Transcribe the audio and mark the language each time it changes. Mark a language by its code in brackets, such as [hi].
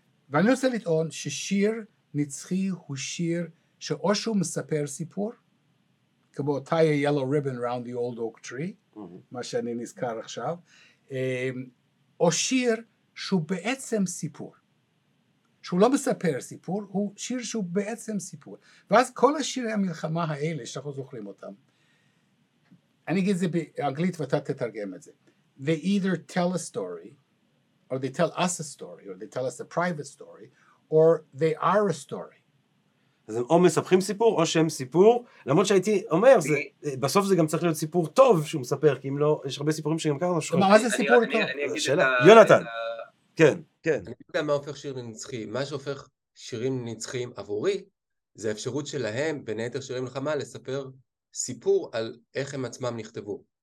[he] ואני רוצה לטעון ששיר נצחי הוא שיר שאו שהוא מספר סיפור, כמו [en] tie a yellow ribbon round the old oak tree, [he] מה שאני נזכר עכשיו, או שיר שהוא בעצם סיפור. שהוא לא מספר סיפור, הוא שיר שהוא בעצם סיפור. ואז כל השירי המלחמה האלה, שאנחנו זוכרים אותם, אני אגיד זה באנגלית ואתה תתרגם את זה. [en] They either tell a story, or they tell us a story, or they tell us a private story, or they are a story. [he] אז הם או מספחים סיפור, או שהם סיפור, למרות שהייתי אומר, זה, בסוף זה גם צריך להיות סיפור טוב שהוא מספר, כי אם לא, יש הרבה סיפורים שגם ככה משחור. מה זה סיפור טוב? אני אגיד את ה... יונתן. כן. כן. אני יודע מה הופך שיר לנצחי, מה שהופך שירים לנצחים עבורי, זה האפשרות שלהם, בין היתר שירי מלחמה, לספר סיפור על איך הם עצמם נכתבו.